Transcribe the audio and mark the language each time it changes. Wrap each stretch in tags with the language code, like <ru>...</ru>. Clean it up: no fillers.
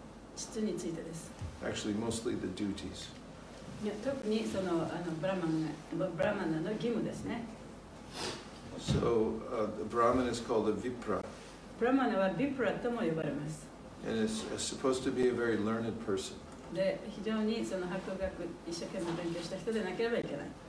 <ja>今日の説が言わんとしているところは、ブラマナの質と質についてです。</ja> <en>Actually, mostly the duties.</en> <ja>いや、特にそのブラマナの義務ですね。</ja> <en>So, the Brahman is called a Vipra.</en> <ja>ブラマナはヴィプラとも呼ばれます。</ja> <en>And it's supposed to be a very learned person.</en> <ja>で、非常にその博学、一生懸命勉強した人でなければいけない。</ja>